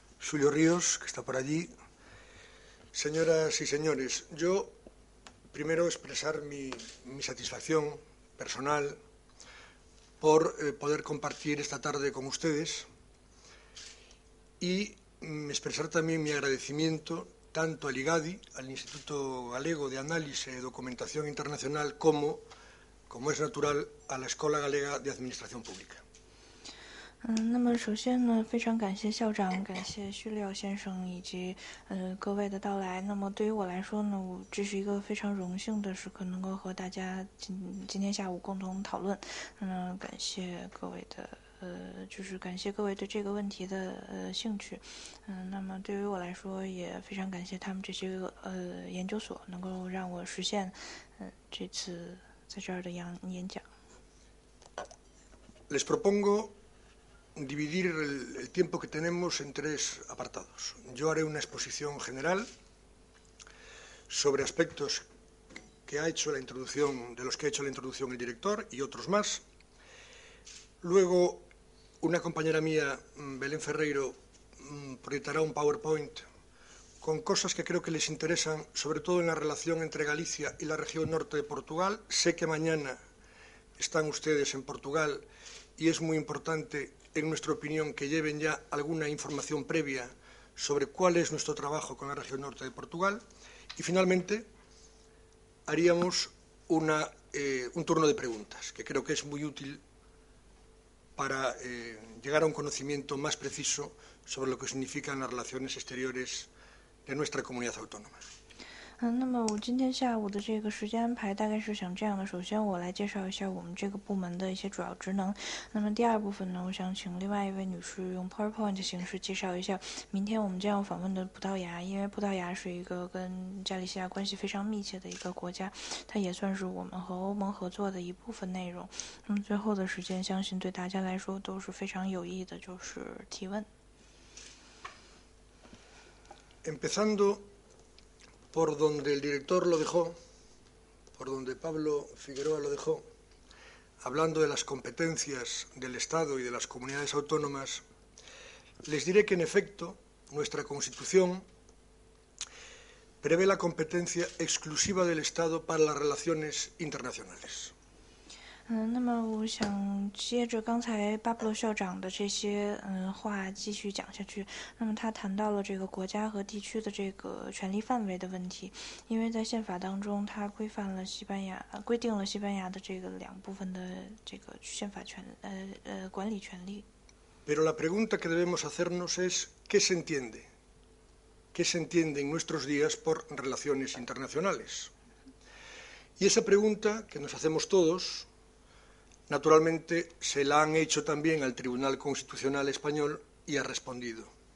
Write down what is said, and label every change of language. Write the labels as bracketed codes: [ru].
[es] Julio Ríos, que está por allí. Señoras y señores, yo primero expresar mi satisfacción personal por poder compartir esta tarde con ustedes y expresar también mi agradecimiento... tanto al IGADI, al Instituto Galego de Análisis y Documentación Internacional, como es natural, a la Escuela Galega de Administración Pública. [zh] 那么首先呢，非常感谢校长，感谢徐廖先生以及各位的到来。那么对于我来说呢，我这是一个非常荣幸的时刻，能够和大家今天下午共同讨论。感谢各位的。就是感谢各位对这个问题的兴趣，那么对于我来说也非常感谢他们这些研究所能够让我实现，这次在这儿的演讲。 [es] Les propongo dividir el tiempo que tenemos en tres apartados. Yo haré una exposición general sobre aspectos que ha hecho la introducción, de los que ha hecho la introducción el director y otros más. Luego,Una compañera mía, Belén Ferreiro, proyectará un PowerPoint con cosas que creo que les interesan, sobre todo en la relación entre Galicia y la región norte de Portugal. Sé que mañana están ustedes en Portugal y es muy importante, en nuestra opinión, que lleven ya alguna información previa sobre cuál es nuestro trabajo con la región norte de Portugal. Y finalmente, haríamos un turno de preguntas, que creo que es muy útil. Para llegar a un conocimiento más preciso sobre lo que significan las relaciones exteriores de nuestra comunidad autónoma. [zh] 那么我今天下午的这个时间安排大概是想这样的：首先，我来介绍一下我们这个部门的一些主要职能；那么第二部分呢，我想请另外一位女士用 PowerPoint 形式介绍一下明天我们将要访问的葡萄牙，因为葡萄牙是一个跟加利西亚关系非常密切的一个国家，它也算是我们和欧盟合作的一部分内容。那么最后的时间，相信对大家来说都是非常有益的，就是提问。 [es] Empezando. Por donde el director lo dejó, por donde Pablo Figueroa lo dejó, hablando de las competencias del Estado y de las comunidades autónomas, les diré que, en efecto, nuestra Constitución prevé la competencia exclusiva del Estado para las relaciones internacionales. [zh] 那么我想接着刚才巴布洛校长的这些话继续讲下去。那么他谈到了这个国家和地区的这个权力范围的问题，因为在宪法当中，他规定了西班牙的这个两部分的这个宪法权管理权利。 [es] Pero la pregunta que debemos hacernos es ¿qué se entiende? ¿Qué se entiende en nuestros días por relaciones internacionales? Y esa pregunta que nos hacemos todos, naturalmente, se la han hecho también al Tribunal Constitucional Español y ha respondido.